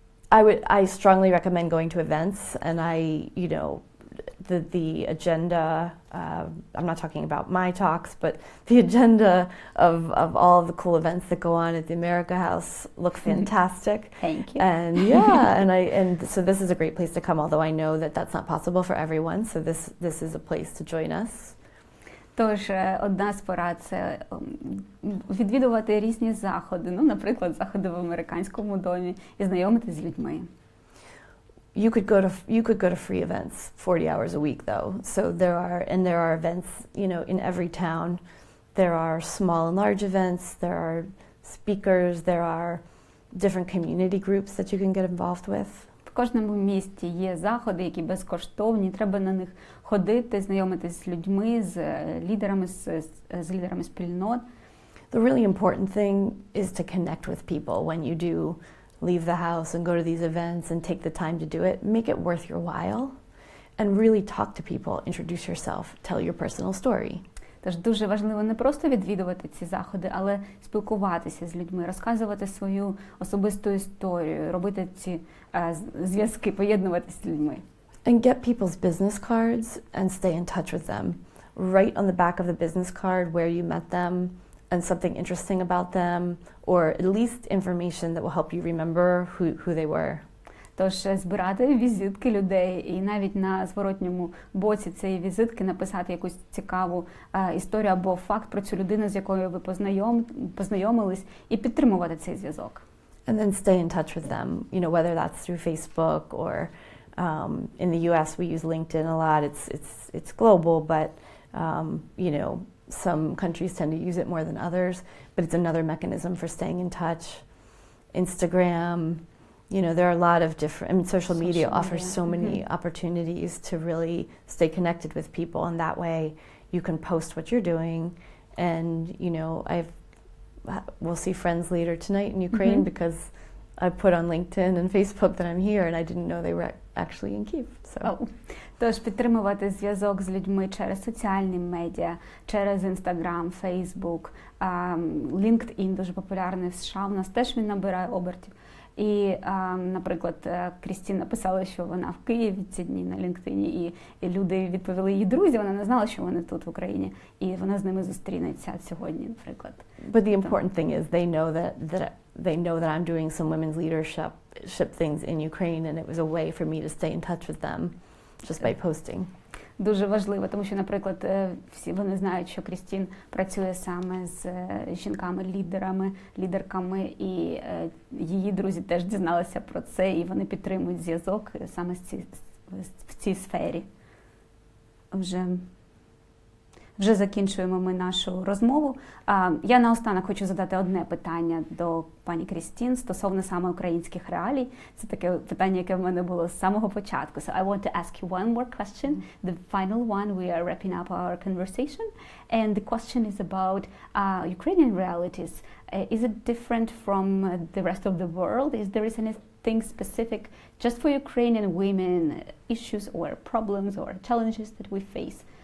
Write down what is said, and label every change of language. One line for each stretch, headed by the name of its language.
English: I strongly recommend going to events, and I, you know, the agenda, I'm not talking about my talks, but the agenda of all of the cool events that go on at the America House look fantastic. Thank you. And yeah, and so this is a great place to come, although I know that that's not possible for everyone, so this is a place to join us.
Ukrainian: Тож, одна з порад – це відвідувати різні заходи, ну, наприклад, заходи в американському домі і знайомитись з людьми.
English: You could go to free events 40 hours a week though. So there are events, you know, in every town. There are small and large events, there are speakers, there are different community groups that you can get involved with.
Ukrainian: кожному місті є заходи, які безкоштовні, треба на них ходити, знайомитись з людьми, з лідерами, з лідерами спільнот.
English: The really important thing is to connect with people when you do leave the house and go to these events and take the time to do it. Make it worth your while and really talk to people, introduce yourself, tell your personal story.
Ukrainian: Тож дуже важливо не просто відвідувати ці заходи, але спілкуватися з людьми, розказувати свою особисту історію, робити ці зв'язки, поєднуватися з людьми.
English: And get people's business cards and stay in touch with them. Write on the back of the business card where you met them and something interesting about them, or at least information that will help you remember who they were.
Ukrainian: Тож збирати візитки людей і навіть на зворотньому боці цієї візитки написати якусь цікаву історію або факт про цю людину, з якою ви познайомились, і підтримувати цей зв'язок.
English: And then stay in touch with them, you know, whether that's through Facebook or in the US we use LinkedIn a lot. It's global, but you know, some countries tend to use it more than others, but it's another mechanism for staying in touch. Instagram, you know, there are a lot of different, I mean, social media offers so many opportunities to really stay connected with people, and that way you can post what you're doing. And, you know, we'll see friends later tonight in Ukraine because I put on LinkedIn and Facebook that I'm here, and I didn't know they were actually in Kyiv. So.
Ukrainian: Тож підтримувати зв'язок з людьми через соціальні медіа, через Instagram, Facebook, LinkedIn дуже популярний в США, у нас теж він набирає обертів. І, наприклад, Крістіна писала, що вона в Києві ці дні на LinkedIn, і люди відповіли її друзі, вона не знала, що вони тут в Україні, і вона з ними зустрінеться сьогодні, наприклад.
English: But the important thing is they know that I'm doing some women's leadership things in Ukraine, and it was a way for me to stay in touch with them just by posting.
Ukrainian: Дуже важливо, тому що, наприклад, всі вони знають, що Крістін працює саме з жінками-лідерами, лідерками, і її друзі теж дізналися про це, і вони підтримують зв'язок саме в цій сфері. Вже закінчуємо ми нашу розмову. Я наостанок хочу задати одне питання до пані Крістін стосовно саме українських реалій. Це таке питання, яке в мене було з самого початку.
English: So I want to ask you one more question, the final one. We are wrapping up our conversation. And the question is about Ukrainian realities. Is it different from the rest of the world? Is there anything specific just for Ukrainian women, issues or problems or challenges that we face?